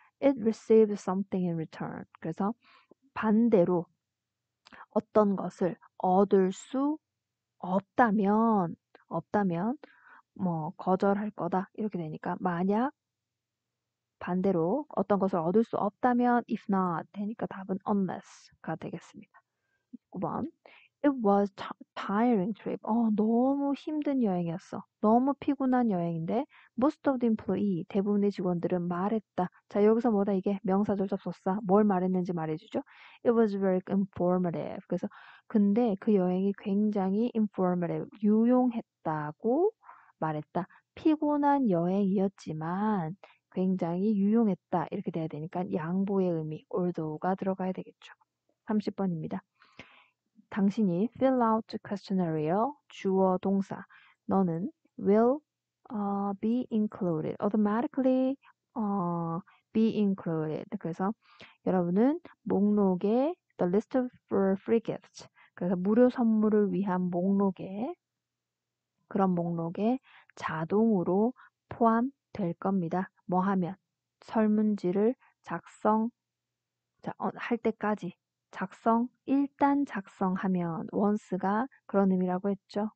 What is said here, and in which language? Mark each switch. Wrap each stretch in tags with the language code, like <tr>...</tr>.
<en>It received something in return.</en> <ko>그래서 반대로 어떤 것을 얻을 수 없다면, 뭐, 거절할 거다. 이렇게 되니까, 만약 반대로 어떤 것을 얻을 수 없다면 if not 되니까 답은 unless가 되겠습니다. 9번.</ko> <en>It was tiring trip.</en> <ko>너무 힘든 여행이었어. 너무 피곤한 여행인데,</ko> <en>most of the employees,</en> <ko>대부분의 직원들은 말했다. 자, 여기서 뭐다 이게 명사절 접속사. 뭘 말했는지 말해주죠.</ko> <en>It was very informative.</en> <ko>그래서, 근데 그 여행이 굉장히 informative, 유용했다고 말했다. 피곤한 여행이었지만, 굉장히 유용했다. 이렇게 돼야 되니까 양보의 의미, although가 들어가야 되겠죠. 30번입니다. 당신이 fill out questionnaire요. 주어 동사.</ko> <en>너는 will be included. automatically be included.</en> <ko>그래서 여러분은 목록에</ko> <en>the list of free gifts.</en> <ko>그래서 무료 선물을 위한 목록에 그런 목록에 자동으로 포함될 겁니다. 뭐 하면 설문지를 작성 할 때까지 작성, 일단 작성하면 once가 그런 의미라고 했죠.</ko>